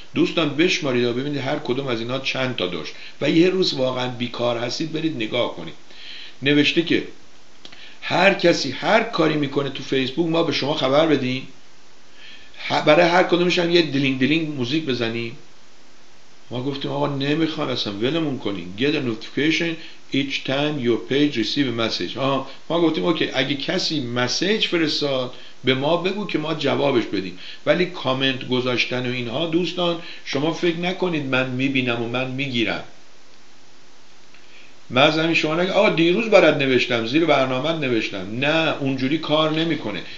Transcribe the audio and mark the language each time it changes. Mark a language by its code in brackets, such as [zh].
[fa] دوستان بشمارید و ببینید هر کدوم از اینا چند تا داشت، و یه روز واقعا بیکار هستید برید نگاه کنید. نوشته که هر کسی هر کاری میکنه تو فیسبوک ما به شما خبر بدیم، برای هر کدومش هم یه دلینگ دلینگ موزیک بزنیم. ما گفتیم آقا نمیخوام اصلا، ولمون کنین. [en] get a notification each time your page receive a message. [fa] آها، ما گفتیم اوکی اگه کسی مسیج فرستاد به ما بگو که ما جوابش بدیم، ولی کامنت گذاشتن و اینها دوستان شما فکر نکنید من میبینم و من میگیرم. مثلا شما نگه آقا دیروز برات نوشتم، زیر برنامه نوشتم، نه اونجوری کار نمیکنه.